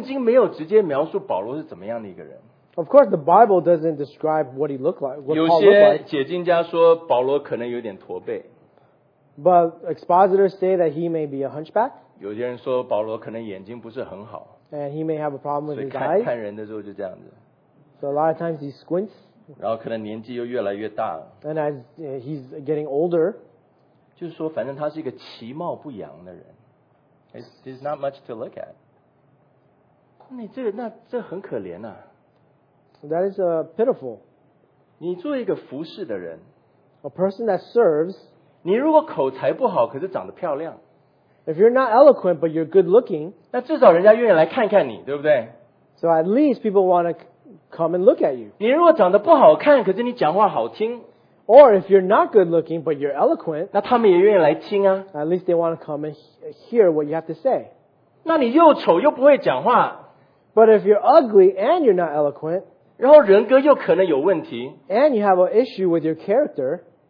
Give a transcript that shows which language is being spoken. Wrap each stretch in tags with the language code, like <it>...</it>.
<zh>那圣经没有直接描述保罗是怎么样的一个人。</zh> <en>Of course, the Bible doesn't describe what he looked like.</en> <zh>有些解经家说保罗可能有点驼背。</zh> <en>But expositors say that he may be a hunchback.</en> <zh>有些人说保罗可能眼睛不是很好。</zh> <en>And he may have a problem with his</en> <zh>eyes. 看人的时候就这样子。</zh> <en>So a lot of times he squints.</en> <zh>然后可能年纪又越来越大了。</zh> <en>And as he's getting older.</en> <zh>就是说反正他是一个其貌不扬的人。</zh> <en>There's not much to look at.</en> <zh>那这很可怜啊。</zh> <en>That is pitiful.</en> <zh>你作为一个服侍的人。</zh> <en>A person that serves.</en> <zh>你如果口才不好，可是长得漂亮。</zh> <en>If you're not eloquent, but you're good looking,</en> <zh>那至少人家愿意来看看你，对不对？</zh> <en>So at least people want to come and look at you.</en> <zh>你如果长得不好看，可是你讲话好听。</zh> <en>Or if you're not good looking, but you're eloquent,</en> <zh>那他们也愿意来听啊。</zh> <en>At least they want to come and hear what you have to say.</en> <zh>那你又丑又不会讲话。</zh> <en>But if you're ugly and you're not eloquent,</en> <zh>然后人格又可能有问题,</zh> <en>and you have an issue with your character,</en>